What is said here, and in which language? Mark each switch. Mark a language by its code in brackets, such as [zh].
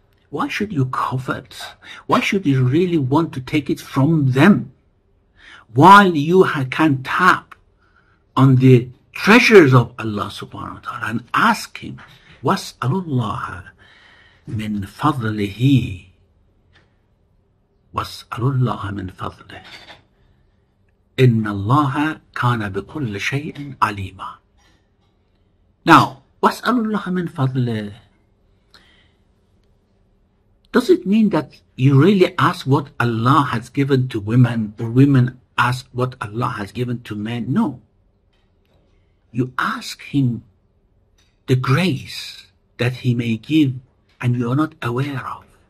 [en] Why should you covet? Why should you really want to take it from them, while you can tap on the treasures of Allah subhanahu wa ta'ala and ask Him, [ar] وَاسْأَلُ اللَّهَ مِنْ فَضْلِهِ, وَاسْأَلُ اللَّهَ مِنْ فَضْلِهِ, إِنَّ اللَّهَ كَانَ بِكُلِّ شَيْءٍ عَلِيمًا. Now, وَاسْأَلُ اللَّهَ مِنْ فَضْلِهِ, [en] Does it mean that you really ask what Allah has given to women, or women ask what Allah has given to men? No. You ask Him the grace that He may give and you are not aware of.